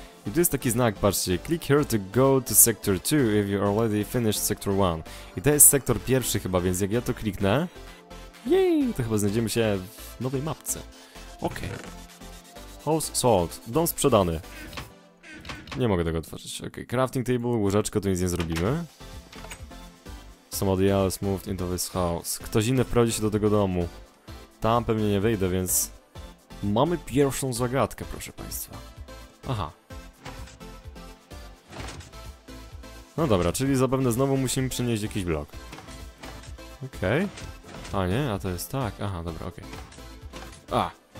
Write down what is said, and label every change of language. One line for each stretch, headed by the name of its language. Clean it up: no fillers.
Polish: I tu jest taki znak, patrzcie,
English: click here to go to sector 2 if you already finished sector 1.
Polish: I to jest sektor pierwszy chyba, więc jak ja to kliknę, jej, to chyba znajdziemy się w nowej mapce. Okej. Okay.
English: House sold,
Polish: dom sprzedany. Nie mogę tego otworzyć, okej. Okay. Crafting table, łóżeczko, tu nic nie zrobimy.
English: Somebody else moved into this house.
Polish: Ktoś inny wprowadził się do tego domu. Tam pewnie nie wyjdę, więc mamy pierwszą zagadkę, proszę państwa. Aha. No dobra, czyli zapewne znowu musimy przenieść jakiś blok. Okej. Okay. A nie, a to jest tak. Aha, dobra, okej. Okay. A!